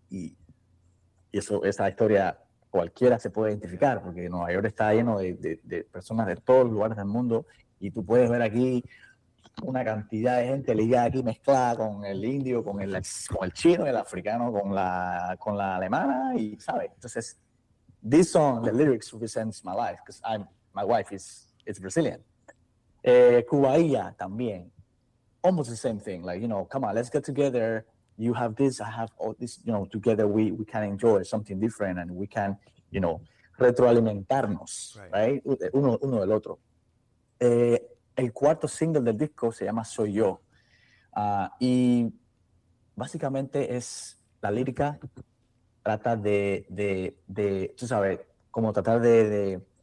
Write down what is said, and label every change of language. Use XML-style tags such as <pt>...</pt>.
<es>Y eso, esa historia cualquiera se puede identificar, porque Nueva York está lleno de personas de todos los lugares del mundo. Y tú puedes ver aquí una cantidad de gente ligada aquí mezclada con el indio, con el chino, el africano, con la alemana y sabe.</es> <en>Entonces, this song, the lyrics represents my life because my wife is Brazilian. Cubaia también, almost the same thing. Like, you know, come on, let's get together. You have this, I have all this. You know, together we can enjoy something different and we can, you know, retroalimentarnos, right?</en> <es>Uno del otro. El cuarto single del disco se llama Soy Yo. Y básicamente es la lírica, trata de tú sabes, como tratar de...</es>